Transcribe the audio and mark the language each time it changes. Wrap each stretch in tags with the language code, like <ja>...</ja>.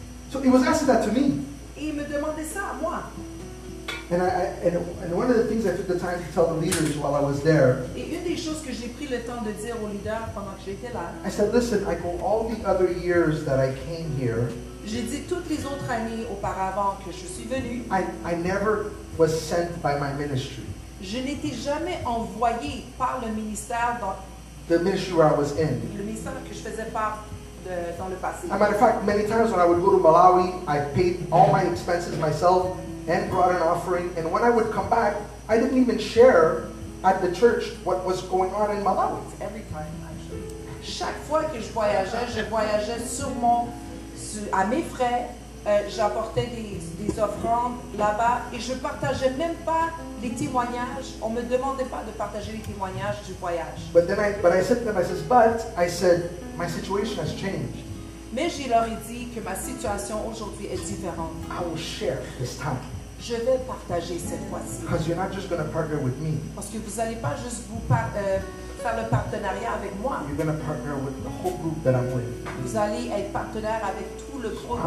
<en>So he was asking that to me.</en> <fr>Et il me demandait ça à moi.</fr> <en>And I one of the things I took the time to tell the leaders while I was there.</en> <fr>Et une des choses que j'ai pris le temps de dire aux leaders pendant que j'étais là.</fr> <en>I said, listen, I go all the other years that I came here.</en> <fr>J'ai dit toutes les autres années auparavant que je suis venu.</fr> <en>I never was sent by my ministry.</en> <fr>Je n'étais jamais envoyé par le ministère dans.</fr> <en>The ministry where I was in.</en> <fr>Le ministère que je faisais part.</fr> <en>As a matter of fact, many times when I would go to Malawi, I paid all my expenses myself and brought an offering. And when I would come back, I didn't even share at the church what was going on in Malawi. It's every time, actually.</en> <fr>Chaque fois que je voyageais sûrement à mes frais, j'apportais des offrandes là-bas et je ne partageais même pas les témoignages. On ne me demandait pas de partager les témoignages du voyage.</fr> <en>But then I said to them, I said, but I said, my situation has changed.</en> <fr>Mais je leur ai dit que ma situation aujourd'hui est différente.</fr> <en>I will share this time.</en> <fr>Je vais partager cette fois-ci.</fr> <en>Because you're not just going to partner with me.</en> <fr>Parce que vous n'allez pas juste vous faire le partenariat avec moi.</fr> <en>You're going to partner with the whole group that I'm with.</en> <fr>Vous allez être partenaire avec tout le groupe</fr>